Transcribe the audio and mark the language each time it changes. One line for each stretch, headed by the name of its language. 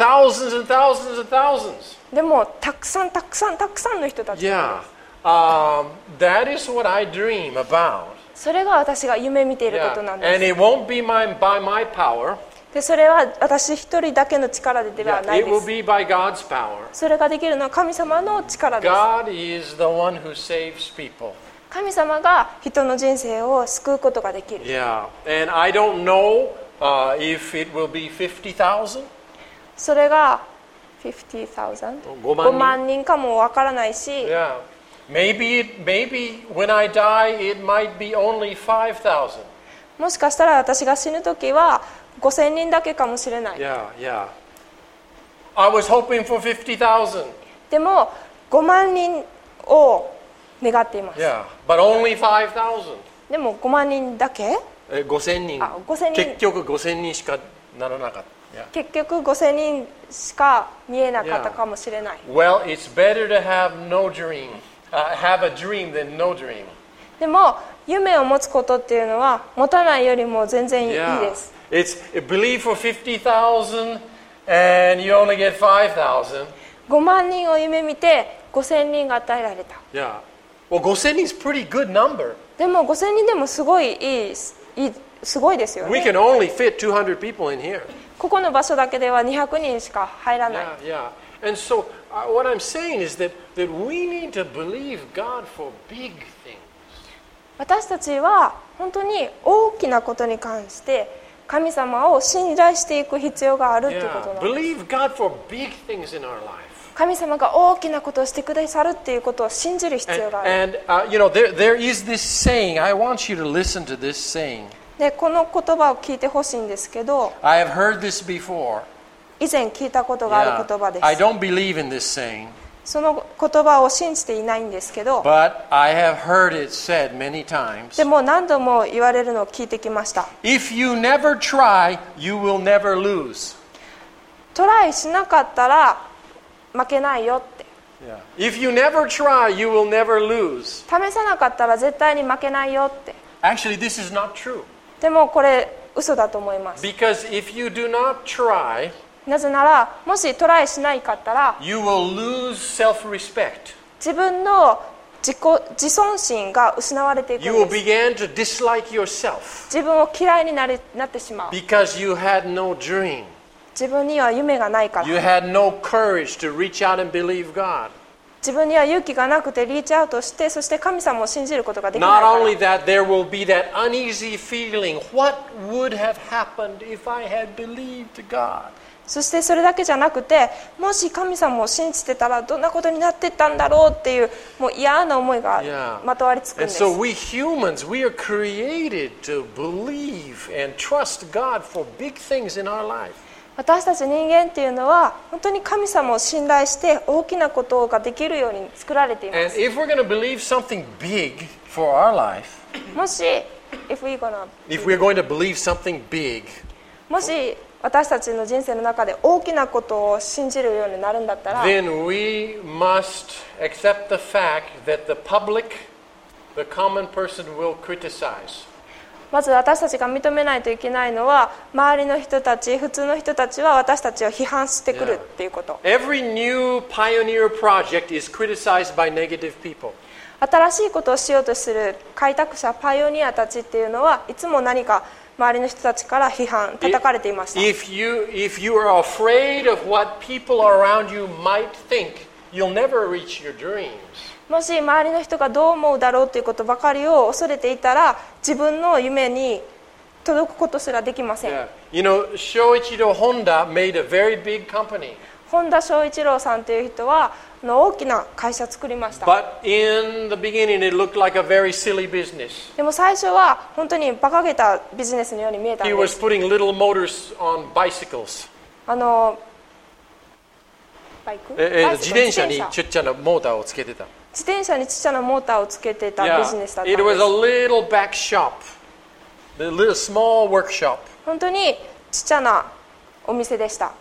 English: But thousands and thousands and thousands.
Japanese: でもたくさんたくさんたくさんの人たち。
English: Yeah. That is what I dream about.
Japanese: それが私が夢見ていることなんです。
English: Yeah. And it won't be by my power.
Japanese: でそれは私一人だけの力でではないです。
English: Yeah. It will be by God's power.
Japanese: それができるのは神様の力です。
English: God is the one who saves people.
Japanese: 神様が人の人生を救うことができる。
English: Yeah. And I don't know. If it will be 50,000?
Japanese: それが 50,000? 5万人かもわからないし。
English: Yeah. Maybe when I die, it might be only 5,000.
Japanese: もしかしたら私が死ぬときは5,000人だけかもしれない。
English: Yeah, yeah. I was hoping for 50,000.
Japanese: でも5万人を願っています。
English: Yeah, but only 5,000.
Japanese: でも5万人だけ 5000人、結局5000人しかならなかった、
English: yeah.
Japanese: 結局5000人しか見えなかったかもしれない、
English: yeah. Well, it's better to have no dream have a dream than no dream.
Japanese: でも夢を持つことっていうのは持たないよりも全然いいです、
English: yeah. It's believe for 50,000 and you only get 5,000
Japanese: 5万人を夢見て5000人が与えられた、
English: yeah. Well,
Japanese: 5000人
English: is pretty good number.
Japanese: でも5000人でもすごいいいですすごいですよね。
English: We can only fit 200 people in here.
Japanese: ここの場所だけでは200人しか入らない。
English: Yeah, yeah. And so, what I'm saying is that we need to believe God for big things.
Japanese: 私たちは本当に大きなことに関して神様を信頼していく必要があるということなんです。
English: Yeah, believe God for big things in our life.
Japanese: 神様が大きなことをしてくださるっていうことを信じる必要がある。
English: And you know, there is this saying. I want you to listen to this saying.
Japanese: で、この言葉を聞いてほしいんですけど。
English: I have heard this before.
Japanese: 以前聞いたことがある言葉です。
English: Yeah, I don't believe in this saying.
Japanese: その言葉を信じていないんですけど。
English: But I have heard it said many times.
Japanese: でも何度も言われるのを聞いてきました。
English: If you never try, you will never lose.
Japanese: トライしなかったら負けないよって。
English: If you never try, you will never lose.
Japanese: 試さなかったら絶対に負けないよって。
English: Actually, this is not true.
Japanese: でもこれ嘘だと思います。
English: Because if you do not try,
Japanese: なぜならもしトライしないかったら、
English: you will lose self-respect.
Japanese: 自分の自尊心が失われていくんです。
English: You will begin to dislike yourself.
Japanese: 自分を嫌いになってしまう。
English: Because you had no dream.
Japanese: 自分には夢がないから。
English: You had no courage to reach out and believe God.
Japanese: 自分には勇気がなくてリーチアウトして、そして神様を信じることができないから。
English: Not only that, there will be that uneasy feeling. What would have happened if I had believed God?
Japanese: そしてそれだけじゃなくて、もし神様を信じてたらどんなことになってたんだろうっていう、もう嫌な思いがまとわりつくんです。
English: And so we humans, we are created to believe and trust God for big things in our life.
Japanese: 私たち人間っていうのは本当に神様を信頼して大きなことができるように作られています。
English: And if we're going to believe something big for our life,
Japanese: もし
English: if we're gonna if we're going to believe something big,
Japanese: もし私たちの人生の中で大きなことを信じるようになるんだったら、
English: then we must accept the fact that the public, the common person will criticize.
Japanese: まず私たちが認めないといけないのは、周りの人たち、普通の人たちは私たちを批判してくるっていうこと。
English: Yeah. Every new pioneer project is criticized by negative people.
Japanese: 新しいことをしようとする開拓者、パイオニアたちっていうのは、いつも何か周りの人たちから批判、叩かれていました。
English: If you are afraid of what people around you might think, you'll never reach your dreams.
Japanese: もし周りの人がどう思うだろうということばかりを恐れていたら、自分の夢に届くことすらできません。
English: Yeah. You know, Shoichiro Honda made a very big company.
Japanese: 本田翔一郎さんという人は大きな会社を作りました。
English: But in the beginning, it looked like a very silly business.
Japanese: でも最初は本当に馬鹿げたビジネスのように見えたんです。
English: He was putting little motors on bicycles.
Japanese: バイク？自転車にちっちゃなモーターをつけてた。自転車にちっちゃなモーターをつけてたビジネスだったんです。
English: Yeah, it was a little back shop, a little small workshop.
Japanese: 本当にちっちゃなお店でした。